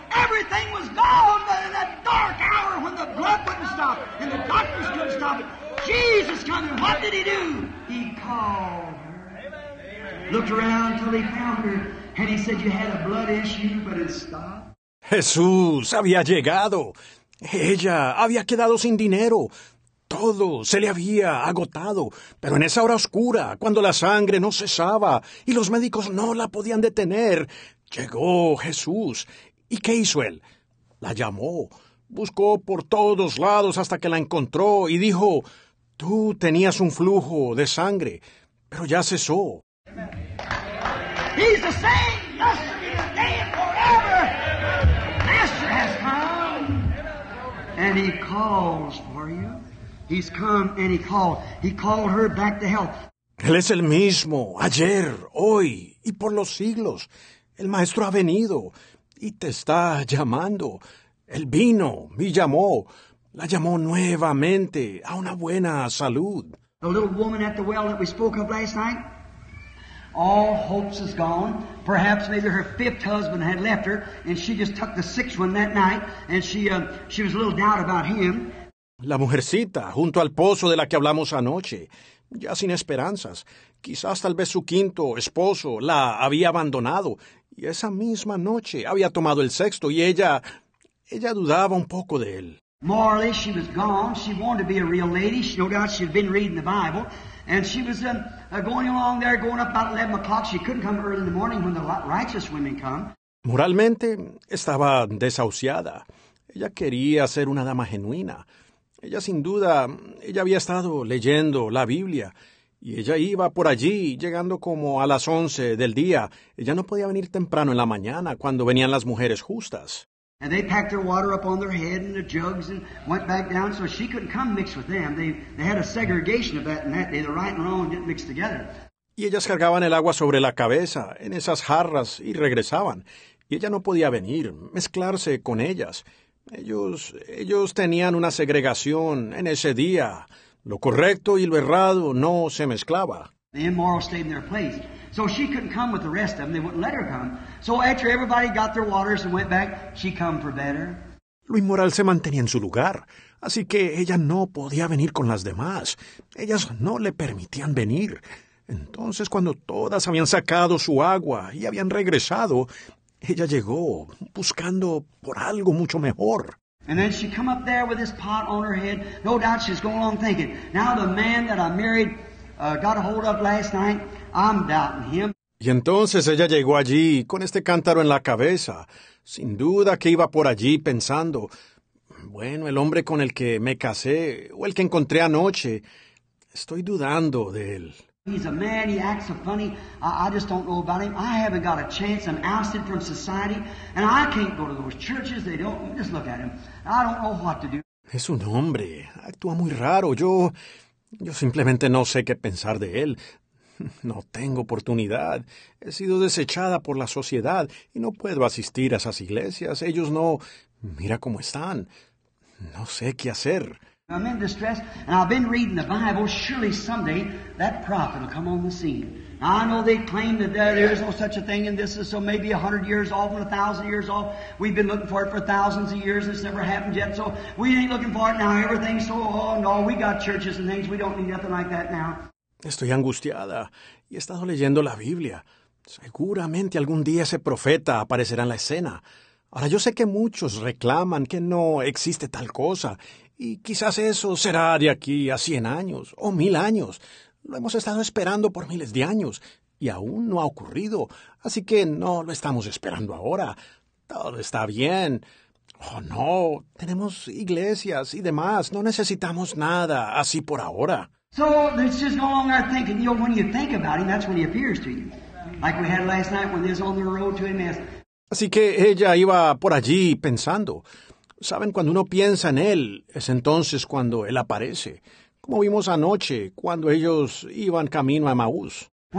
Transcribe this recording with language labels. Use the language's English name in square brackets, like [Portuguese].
[English] Everything was gone in that dark hour when the blood wouldn't stop and the doctors couldn't stop it. Jesus came. What did he do? He called her. Looked around until he found her. And he said, you had a blood issue, but it stopped. [Spanish] Jesús había llegado. Ella había quedado sin dinero. Todo se le había agotado. Pero en esa hora oscura, cuando la sangre no cesaba y los médicos no la podían detener, llegó Jesús. ¿Y qué hizo él? La llamó, buscó por todos lados hasta que la encontró y dijo, tú tenías un flujo de sangre, pero ya cesó. [English] He's the same yesterday, today, and forever. Master has come, and he calls for you. He's come and he called. He called her back to health. [Spanish] Él es el mismo, ayer, hoy y por los siglos. El maestro ha venido y te está llamando. Él vino y llamó. La llamó nuevamente a una buena salud. [English] The little woman at the well that we spoke of last night, all hopes is gone. Perhaps maybe her fifth husband had left her and she just took the sixth one that night and she was a little doubt about him. [Spanish] La mujercita, junto al pozo de la que hablamos anoche, ya sin esperanzas, quizás tal vez su quinto esposo la había abandonado, y esa misma noche había tomado el sexto, y ella dudaba un poco de él. [English] Morally, she was gone. She wanted to be a real lady. She, no doubt she'd been reading the Bible. And she was going along there, going up about 11 o'clock. She couldn't come early in the morning when the righteous women come. [Spanish] Moralmente, estaba desahuciada. Ella quería ser una dama genuina. Ella sin duda, ella había estado leyendo la Biblia y ella iba por allí llegando como a las 11 del día. Ella no podía venir temprano en la mañana cuando venían las mujeres justas. [English] And they packed their water up on their head and the jugs and went back down so she couldn't come mixed with them. They had a segregation of that and that day, the right and wrong didn't mix together. [Spanish] Y ellas cargaban el agua sobre la cabeza en esas jarras y regresaban. Y ella no podía venir, mezclarse con ellas. Ellos tenían una segregación en ese día. Lo correcto y lo errado no se mezclaba. [English] The immoral stayed in their place. So she couldn't come with the rest of them. They wouldn't let her come. So after everybody got their waters and went back, she come for better. [Spanish] Lo inmoral se mantenía en su lugar, así que ella no podía venir con las demás. Ellas no le permitían venir. Entonces, cuando todas habían sacado su agua y habían regresado, ella llegó buscando por algo mucho mejor. [English] And then she come up there with this pot on her head. No doubt she's going along thinking, now the man that I married got a hold of last night, I'm doubting him. [Spanish] Y entonces ella llegó allí con este cántaro en la cabeza. Sin duda que iba por allí pensando, bueno, el hombre con el que me casé o el que encontré anoche, estoy dudando de él. [English] He's a man, he acts so funny, I just don't know about him. I haven't got a chance, I'm ousted from society, and I can't go to those churches, they don't, just look at him. I don't know what to do. [Spanish] Es un hombre, actúa muy raro, yo simplemente no sé qué pensar de él. No tengo oportunidad, he sido desechada por la sociedad, y no puedo asistir a esas iglesias, ellos no, mira cómo están, no sé qué hacer. [English] I'm in distress, and I've been reading the Bible. Surely someday that prophet will come on the scene. Now, I know they claim that there is no such a thing, and this is so maybe 100 years off and 1,000 years off. We've been looking for it for thousands of years. It's never happened yet, so we ain't looking for it now. Everything's so, oh, no, we got churches and things. We don't need nothing like that now. [Spanish] Estoy angustiada, y he estado leyendo la Biblia. Seguramente algún día ese profeta aparecerá en la escena. Ahora, yo sé que muchos reclaman que no existe tal cosa, y quizás eso será de aquí a 100 años o 1,000 años. Lo hemos estado esperando por miles de años y aún no ha ocurrido. Así que no lo estamos esperando ahora. Todo está bien. Oh, no. Tenemos iglesias y demás. No necesitamos nada así por ahora. [English] So, let's just go along there thinking. You know, when you think about him, that's when he appears to you. Like we had last night when he's on the road to Emmaus. [Spanish] Así que ella iba por allí pensando. ¿Saben? Cuando uno piensa en él, es entonces cuando él aparece. Como vimos anoche, cuando ellos iban camino a Emaús.